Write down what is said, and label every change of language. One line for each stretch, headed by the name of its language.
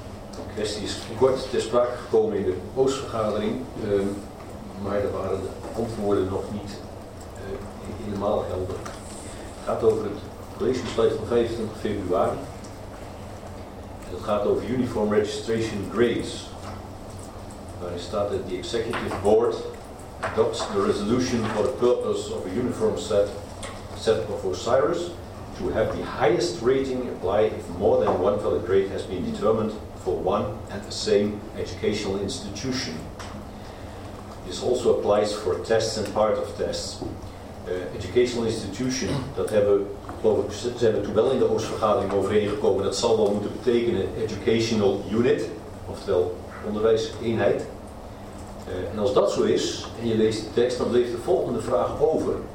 Dutch: De kwestie is kort ter sprake gekomen in de Oostvergadering. Maar daar waren de antwoorden nog niet helemaal helder. Het gaat over het collegebesluit van 25 februari. En het gaat over Uniform Registration Grades. Waarin staat dat
English: the Executive Board adopts the resolution for the purpose of a uniform set of OSIRIS to have the highest rating apply if more than one valid grade has been determined for one and the same educational institution. This also applies for tests and part of tests.
Dutch: Educational institution, dat hebben we, ze hebben toen wel in de Oostvergadering overeengekomen, dat zal wel moeten betekenen educational unit, oftewel onderwijseenheid. En als dat zo is, en je leest de tekst, dan bleef de volgende vraag over.